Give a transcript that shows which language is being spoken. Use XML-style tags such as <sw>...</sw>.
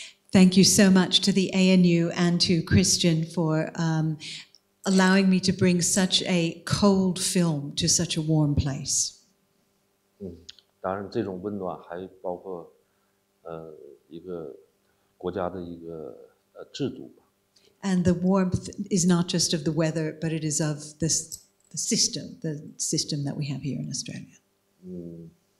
<en>Thank you so much to the ANU and to Christian for allowing me to bring such a cold film to such a warm place.</en> <zh>当然，这种温暖还包括一个国家的一个制度。</zh> <en>And the warmth is not just of the weather, but it is of this, the system that we have here in Australia.</en>